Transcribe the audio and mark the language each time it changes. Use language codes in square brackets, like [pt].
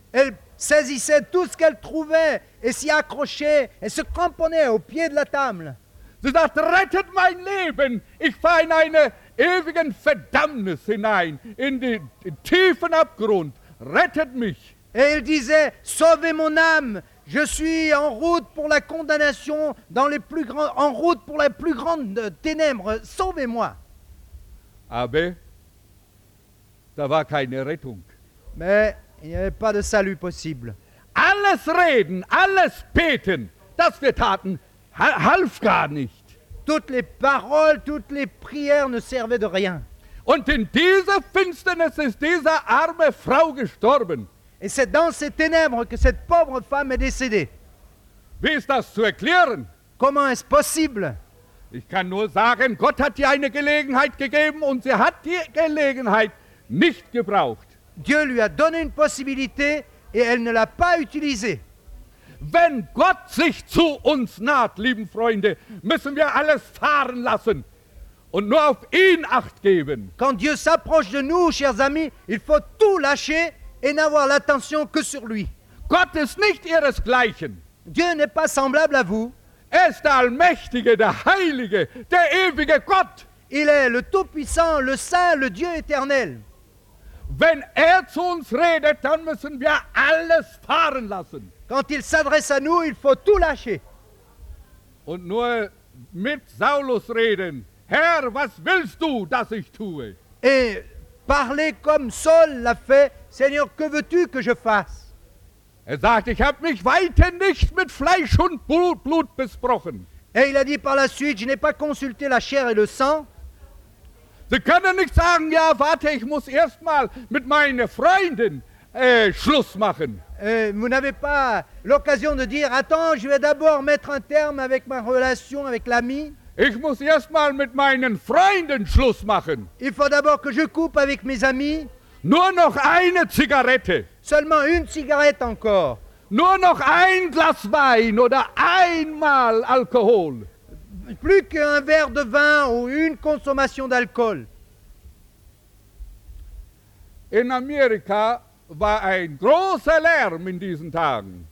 [fr] Elle saisissait tout ce qu'elle trouvait et s'y accrochait et se cramponnait au pied de la table. [de] Sie sagte, rettet mein Leben, ich fahre in eine ewigen Verdammnis hinein, in den tiefen Abgrund, rettet mich. [fr] Et elle disait, sauvez mon âme, je suis en route pour la condamnation, dans les plus grands, en route pour la plus grande ténèbres, sauvez-moi. [de] Aber da war keine Rettung. [fr] Mais il n'y avait pas de salut possible. [de] Alles reden, alles beten, das wir taten, half gar nicht. [fr] Toutes les paroles, toutes les prières ne servaient de rien. [de] Und in dieser Finsternis ist diese arme Frau gestorben. [fr] Et c'est dans ces ténèbres que cette pauvre femme est décédée. [de] Wie ist das zu erklären? [fr] Comment est-ce possible? [de] Ich kann nur sagen, Gott hat dir eine Gelegenheit gegeben und sie hat die Gelegenheit nicht gebraucht. [fr] Dieu lui a donné une possibilité et elle ne l'a pas utilisée. [de] Wenn Gott sich zu uns naht, lieben Freunde, müssen wir alles fahren lassen und nur auf ihn acht geben. [fr] Quand Dieu s'approche de nous, chers amis, il faut tout lâcher et n'avoir l'attention que sur lui. [de] Gott ist nicht ihresgleichen. [fr] Dieu n'est pas semblable à vous. [de] Er ist der Allmächtige, der Heilige, der ewige Gott. [fr] Il est le Tout-Puissant, le Saint, le Dieu éternel. [de] Wenn er zu uns redet, dann müssen wir alles fahren lassen. [fr] Quand il s'adresse à nous, il faut tout lâcher. [de] Und nur mit Saulus reden. Herr, was willst du, dass ich tue? [fr] Et parler comme Saul l'a fait. Seigneur, que veux-tu que je fasse? [de] Er sagt, ich habe mich weiter nicht mit Fleisch und Blut besprochen. [fr] Et il a dit par la suite, je n'ai pas consulté la chair et le sang. [de] Sie können nicht sagen, ja, warte, ich muss erstmal mit meinen Freunden Schluss machen. [fr] Vous n'avez pas l'occasion de dire, attends, je vais d'abord mettre un terme avec ma relation avec l'ami. [de] Ich muss erstmal mit meinen Freunden Schluss machen. [fr] Il faut d'abord que je coupe avec mes amis. [de] Nur noch eine Zigarette. [fr] Seulement une cigarette encore. [de] Nur noch ein Glas Wein oder einmal Alkohol. [fr] Plus qu'un verre de vin ou une consommation d'alcool. [de] In Amerika war ein großer Lärm in diesen Tagen.